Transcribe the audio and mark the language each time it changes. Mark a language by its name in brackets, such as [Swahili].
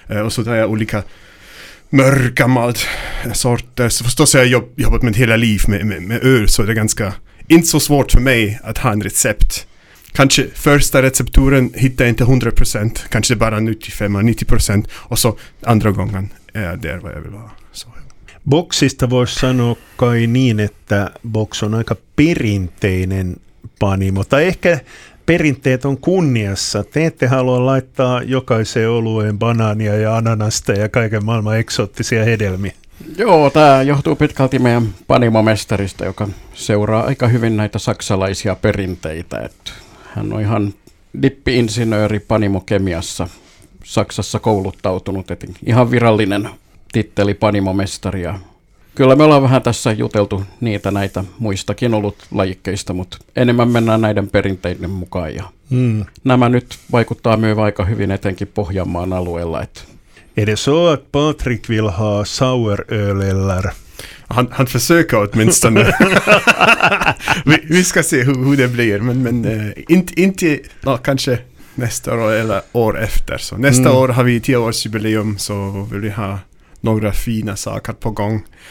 [Swedish] Och så tar jag olika mörka malt sorter. Så förstås har jag jobbat mitt hela liv med öl, så det är ganska inte så svårt för mig att ha en recept. Kanske första recepturen hittar jag inte 100%, kanske bara 95-90%, och så andra gången är jag där vad jag vill ha. [Finnish] Boxista vore sanoa kai niin, että Box on aika perinteinen panimo, tai ehkä perinteet on kunniassa. Te ette halua laittaa jokaiseen olueen banaania ja ananasta ja kaiken maailman eksoottisia hedelmiä. Joo, tämä johtuu pitkälti meidän panimomestarista, joka seuraa aika hyvin näitä saksalaisia perinteitä. Hän on ihan dippi-insinööri panimokemiassa Saksassa kouluttautunut, et ihan virallinen titteli panimomestari. Kyllä me ollaan vähän tässä juteltu niitä näitä muistakin ollut lajikkeista, mutta enemmän mennään näiden perinteiden mukaan. Ja nämä nyt vaikuttaa myös aika hyvin etenkin Pohjanmaan alueella. Edes oot Patrick Vilha Sauer Ölellar. [Swedish] Han försöker åtminstone. vi ska se hur det blir, men inte kanske nästa år eller år efter. Så nästa år har vi 10-årsjubileum, så vill vi ha några fina saker på gång.